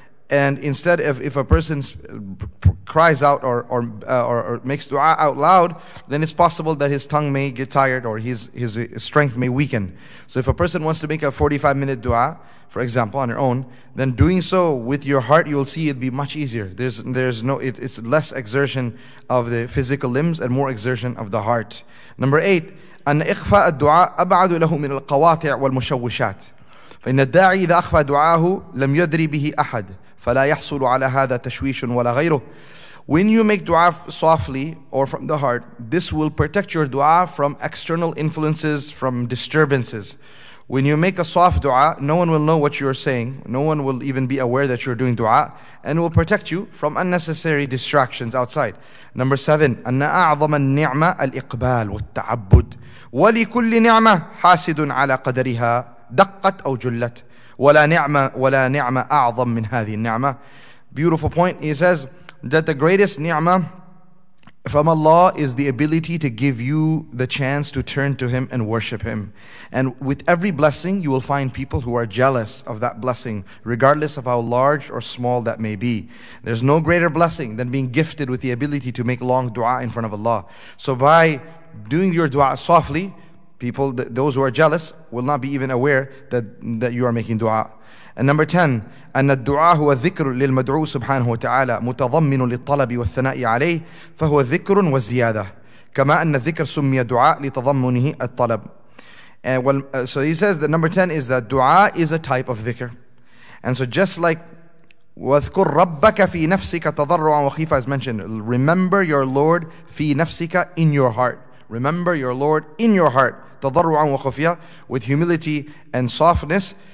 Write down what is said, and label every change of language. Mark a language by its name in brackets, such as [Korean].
[English] And instead, if a person cries out or makes dua out loud, then it's possible that his tongue may get tired or his strength may weaken. So if a person wants to make a 45-minute dua, for example, on their own, then doing so with your heart, you'll see it'd be much easier. It's less exertion of the physical limbs and more exertion of the heart. Number 8, [Arabic] أن إخفاء الدعاء أبعد له من القواطع والمشوشات. فإن الداعي إذا أخفى دعاءه لم يدري به أحد. فلا يحصل على هذا تشويش ولا غيره. [English] When you make dua softly or from the heart, this will protect your dua from external influences, from disturbances. When you make a soft dua, no one will know what you're saying. No one will even be aware that you're doing dua, and will protect you from unnecessary distractions outside. Number 7, [Arabic] أن أعظم النعمة الإقبال والتعبد. ولكل نعمة حاسد على قدرها دقت أو جلت. ولا نعمة أعظم من هذه النعمة. [English] Beautiful point. He says that the greatest ni'mah from Allah is the ability to give you the chance to turn to Him and worship Him. And with every blessing, you will find people who are jealous of that blessing, regardless of how large or small that may be. There's no greater blessing than being gifted with the ability to make long dua in front of Allah. So by doing your dua softly, people, those who are jealous, will not be even aware that you are making dua. And number 10, [Arabic] أن الدعاء هو ذكر للمدعو سبحانه وتعالى متضمن للطلب والثناء عليه فهو ذكر والزيادة كما أن الذكر سمي دعاء لتضمنه الطلب. [English] So he says that number 10 is that dua is a type of dhikr. And so just like [Arabic] وَذْكُرْ رَبَّكَ فِي نَفْسِكَ تَضَرُّعًا وَخِيفًا, [English] as mentioned, remember your Lord [Arabic] فِي نَفْسِكَ, [English] in your heart. Remember your Lord in your heart, [Arabic] تَضَرُّعًا وَخُفْيًا, [English] with humility and softness.